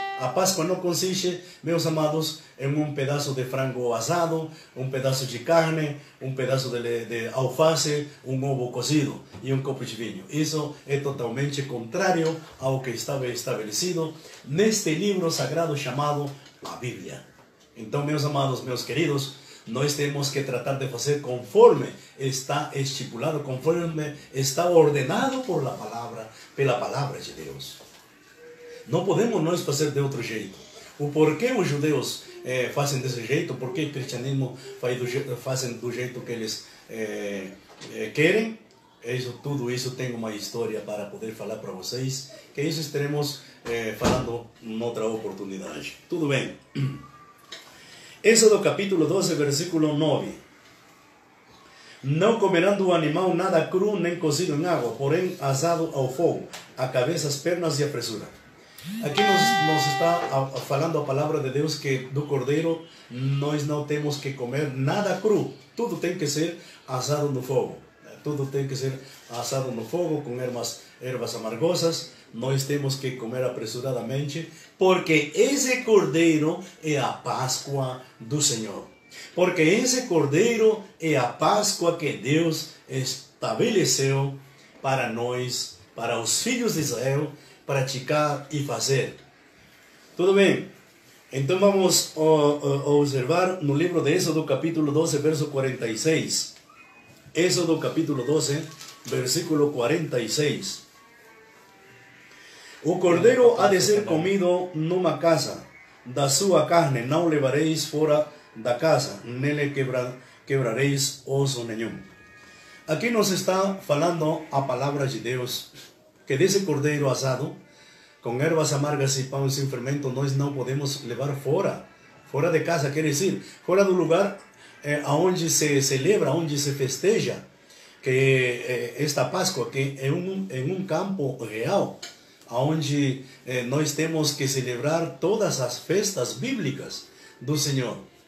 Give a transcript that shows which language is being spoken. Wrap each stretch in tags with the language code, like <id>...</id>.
<es>A Páscoa no consiste,</es> <pt>meus amados,</pt> <es>en un pedazo de frango asado, un pedazo de carne, un pedazo de alface, un ovo cocido y un copo de vinho. Eso es totalmente contrario a lo que estaba establecido en este libro sagrado llamado la Biblia.</es> <pt>Entonces, meus amados, meus queridos, nós temos que tratar de fazer conforme está estipulado, conforme está ordenado</pt> <es>por la palabra,</es> <pt>pela palavra de Deus. Não podemos nós fazer de outro jeito. O porquê os judeus fazem desse jeito, porque o cristianismo fazem do jeito que eles querem, tudo isso tem uma história para poder falar para vocês, que isso estaremos falando em outra oportunidade. Tudo bem. Éxodo capítulo 12, versículo 9. Não comerão do animal nada cru nem cocido em água, porém asado ao fogo, a cabeça, as pernas e a presura. Aqui nos está falando a palavra de Deus que do cordeiro nós não temos que comer nada cru. Tudo tem que ser asado no fogo. Tudo tem que ser asado no fogo com ervas amargosas. Nós temos que comer apresuradamente, porque esse cordeiro é a Páscoa do Senhor. Porque esse cordeiro é a Páscoa que Deus estabeleceu para nós, para os filhos de Israel, praticar e fazer. Tudo bem? Então vamos observar no livro de Êxodo, capítulo 12, verso 46. Êxodo, capítulo 12, versículo 46. O cordeiro ha de ser comido numa casa, da sua carne não levareis fora da casa, nele quebraréis oso nenhum. Aquí nos está falando a palavra de Deus, que desse cordeiro asado, com ervas amargas e pão sem fermento, nós não podemos levar fora, fora de casa, quer dizer, fora do lugar aonde se celebra, aonde se festeja, que esta Páscoa, que é em um campo real, aonde nós temos que celebrar todas as festas bíblicas do Senhor.</pt>